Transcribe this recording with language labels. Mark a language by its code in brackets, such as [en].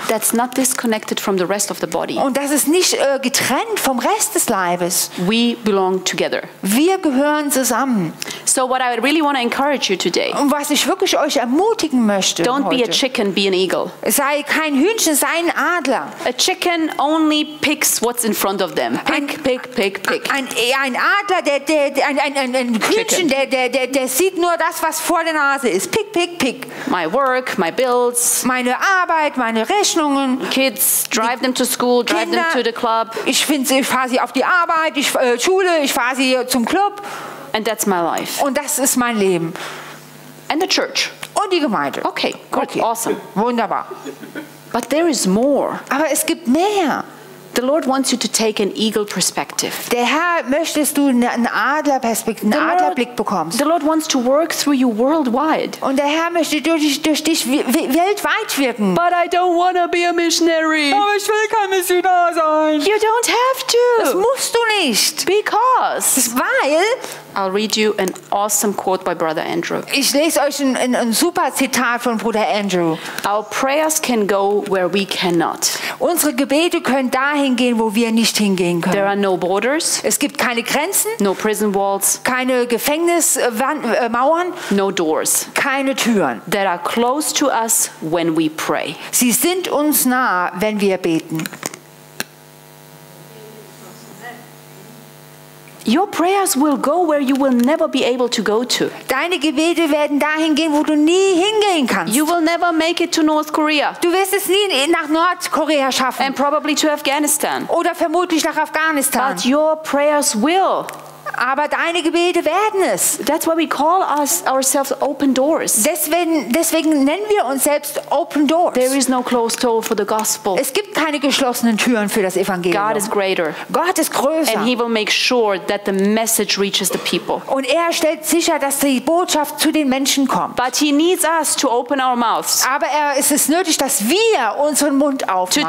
[en] That's not disconnected from the rest of the body. [de] Und das ist nicht getrennt vom Rest des Leibes. [en] We belong together. [de] Wir gehören zusammen. [en] So what I really want to encourage you today. [de] Und was ich wirklich euch ermutigen möchte. [en] Don't [de] heute, [en] be a chicken, be an eagle. [de] Sei kein Hühnchen, sei ein Adler. [en] A chicken only picks what's in front of them. Pick. [de] Ein Adler, ein Hühnchen, der sieht nur das, was vor der Nase ist. [en] Pick. My work, my bills. [de] Meine Arbeit, meine Rechnungen. [en] Kids, drive them to school, drive [de] Kinder, [en] them to the club. [de] Ich fahre sie auf die Arbeit, Schule, ich fahre sie zum Club. [en] And that's my life. [de] Und das ist mein Leben. [en] And the church. [de] Und die Gemeinde. [en] Okay, good, okay. Awesome. [de] Wunderbar. [en] But there is more. [de] Aber es gibt mehr. [en] The Lord wants you to take an eagle perspective. [de] Der Herr möchte, dass du einen Adlerperspektive, einen Adlerblick bekommst. [en] The Lord wants to work through you worldwide. [de] Und der Herr möchte durch dich weltweit wirken. [en] But I don't want to be a missionary. [de] Aber ich will kein Missionar sein. [en] You don't have to. [de] Das musst du nicht. [en] Because. [de] Weil. [en] I'll read you an awesome quote by Brother Andrew. [de] Ich lese euch ein super Zitat von Bruder Andrew. [en] Our prayers can go where we cannot. [de] Unsere Gebete können dahin gehen, wo wir nicht hingehen können. [en] There are no borders. [de] Es gibt keine Grenzen. [en] No prison walls. [de] Keine Gefängnismauern. [en] No doors. [de] Keine Türen. [en] That are close to us when we pray. [de] Sie sind uns nah, wenn wir beten. [en] Your prayers will go where you will never be able to go to. [de] Deine Gebete werden dahin gehen, wo du nie hingehen kannst. [en] You will never make it to North Korea. [de] Du wirst es nie nach Nordkorea schaffen. [en] And probably to Afghanistan. [de] Oder vermutlich nach Afghanistan. [en] But your prayers will. [de] Aber deine Gebete werden es. [en] That's why we call ourselves open doors. [de] Deswegen nennen wir uns selbst open doors. [en] There is no closed door for the gospel. [de] Es gibt keine geschlossenen Türen für das Evangelium. [en] God is greater. [de] Gott ist größer. [en] And he will make sure that the message reaches the people. [de] Und er stellt sicher, dass die Botschaft zu den Menschen kommt. [en] But he needs us to open our mouths. [de] Aber es ist nötig, dass wir unseren Mund aufmachen.